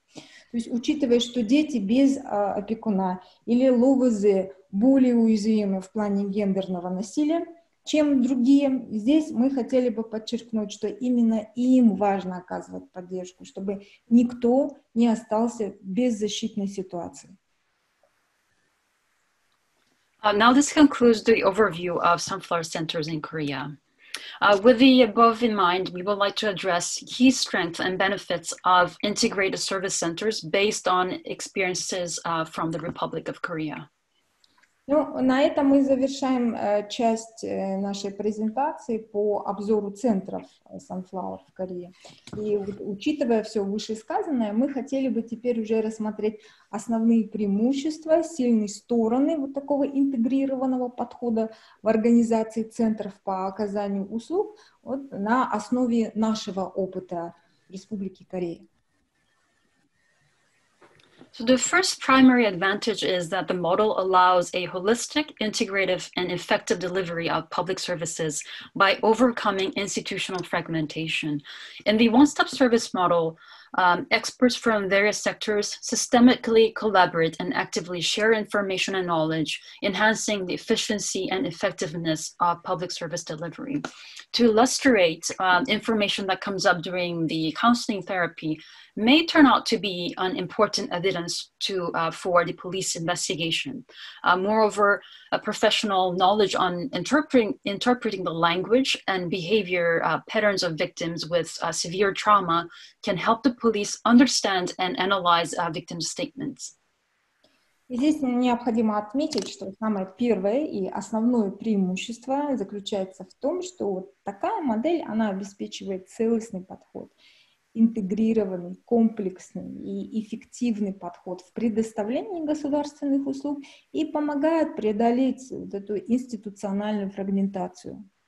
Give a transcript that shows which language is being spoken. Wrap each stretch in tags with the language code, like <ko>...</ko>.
<ru>То есть, учитывая, что дети без опекуна или ловозы более уязвимы в плане гендерного насилия, чем другие, здесь мы хотели бы подчеркнуть, что именно им важно оказывать поддержку, чтобы никто не остался без защитной ситуации.</ru> <en>Now this concludes the overview of Sunflower Centers in Korea. With the above in mind, we would like to address key strengths and benefits of integrated service centers based on experiences from the Republic of Korea.</en> <ru>Ну, на этом мы завершаем часть нашей презентации по обзору центров Sunflower в Корее. И учитывая все вышесказанное, мы хотели бы теперь уже рассмотреть основные преимущества, сильные стороны вот такого интегрированного подхода в организации центров по оказанию услуг вот, на основе нашего опыта в Республике Корея.</ru> <en>So the first primary advantage is that the model allows a holistic, integrative, and effective delivery of public services by overcoming institutional fragmentation. In the one-stop service model, experts from various sectors systemically collaborate and actively share information and knowledge, enhancing the efficiency and effectiveness of public service delivery. To illustrate, information that comes up during the counseling therapy may turn out to be an important evidence to for the police investigation. Moreover, a professional knowledge on interpreting the language and behavior patterns of victims with severe trauma can help the police understand and analyze victims' statements.</en> <ru>Здесь необходимо отметить, что самое первое и основное преимущество заключается в том, что такая модель, она обеспечивает целостный подход. Интегрированный, комплексный и эффективный подход в предоставлении государственных услуг и помогает преодолеть вот эту институциональную фрагментацию.</ru>